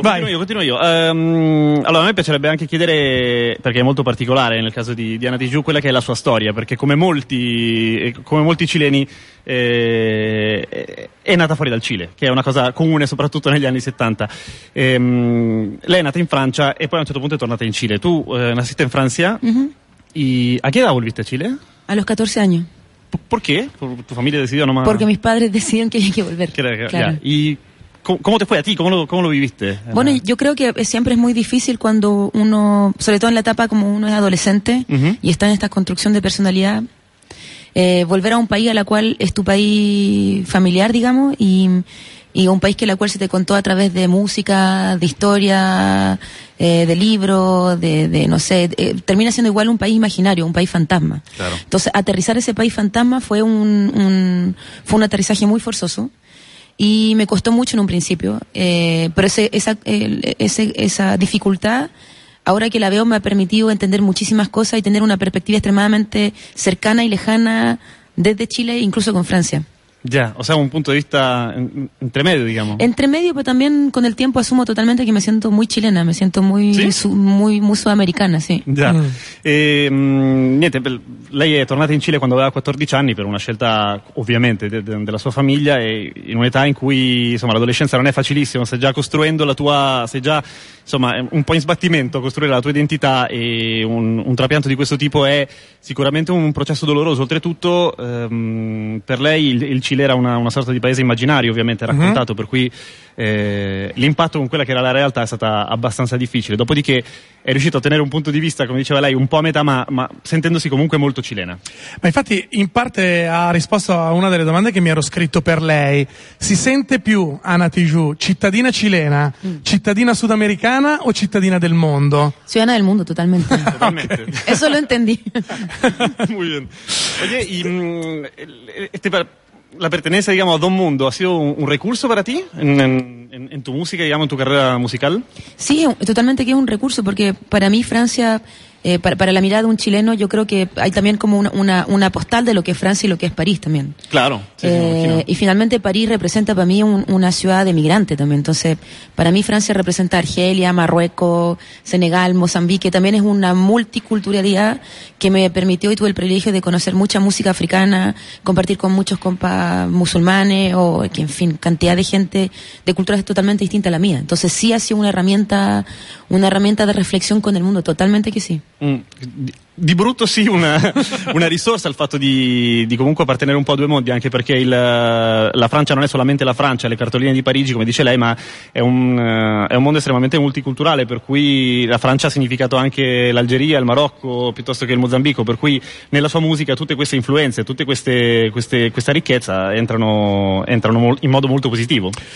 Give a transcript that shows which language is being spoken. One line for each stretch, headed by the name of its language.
Italian: Allora, a me piacerebbe anche chiedere, perché è molto particolare nel caso di Ana Tijoux, quella che è la sua storia, perché come molti cileni è nata fuori dal Cile, che è una cosa comune soprattutto negli anni 70. Lei è nata in Francia e poi a un certo punto è tornata in Cile. Tu nasciste in Francia. A che età
Spanish: volviste a Cile? A los 14 años.
Italian: Perché?
Spanish: Tu
Italian: famiglia
Spanish: decidió nomás. Porque mis padres decidieron que había que volver. Claro. Yeah. ¿Cómo te fue a ti? ¿Cómo lo viviste? Bueno, yo creo que siempre es muy difícil cuando uno, sobre todo en la etapa como uno es adolescente y está en esta construcción de personalidad, volver a un país a la cual es tu país familiar, digamos, y un país que la cual se te contó a través de música, de historia, de libros, de no sé, termina siendo igual un país imaginario, un país fantasma. Claro. Entonces, aterrizar ese país fantasma fue un aterrizaje muy forzoso. Y me costó mucho en un principio, pero esa dificultad, ahora que la veo, me ha permitido entender muchísimas cosas y tener una perspectiva extremadamente cercana y lejana desde Chile, incluso con Francia. Ya, o sea, un punto de vista entremedio, digamos. Entremedio, pero también con el tiempo asumo totalmente que me siento muy chilena, me siento muy muy sudamericana, sí. Ya.
Italian: Niente, lei è tornata in Cile quando aveva 14 anni per una scelta, ovviamente, della sua famiglia e in un'età in cui, insomma, l'adolescenza non è facilissima, stai già costruendo la tua, sei già, insomma, un po' in sbattimento a costruire la tua identità e un trapianto di questo tipo è sicuramente un processo doloroso. Oltretutto, per lei il Cile era una sorta di paese immaginario, ovviamente raccontato, uh-huh. Per cui l'impatto con quella che era la realtà è stata abbastanza difficile. Dopodiché è riuscito a ottenere un punto di vista, come diceva lei, un po' a metà, ma sentendosi comunque molto cilena. Ma infatti in parte ha risposto a una delle domande che mi ero scritto per lei. Si sente più, Ana Tijoux, cittadina cilena, cittadina sudamericana o cittadina del mondo? Cittadina del mondo, totalmente. Totalmente.
Spanish: Eso lo entendí. Muy bien. Oye, y la pertenencia, digamos, a dos mundos, ¿ha sido un recurso para ti en tu música, digamos, en tu carrera musical? Sí, totalmente que es un recurso, porque para mí Francia, para la mirada de un chileno, yo creo que hay también como una postal de lo que es Francia y lo que es París también. Claro, sí, y finalmente París representa para mí una ciudad de migrante también, entonces para mí Francia representa Argelia, Marruecos, Senegal, Mozambique, también es una multiculturalidad que me permitió y tuve el privilegio de conocer mucha música africana, compartir con muchos compas musulmanes o que, en fin, cantidad de gente de culturas totalmente distintas a la mía. Entonces sí ha sido una herramienta de reflexión con el mundo, totalmente que sí.
Italian: Di brutto sì, una risorsa il fatto di comunque appartenere un po' a due mondi, anche perché la Francia non è solamente la Francia, le cartoline di Parigi, come dice lei, ma è un mondo estremamente multiculturale, per cui la Francia ha significato anche l'Algeria, il Marocco, piuttosto che il Mozambico, per cui nella sua musica tutte queste influenze, tutte questa ricchezza entrano in modo molto positivo.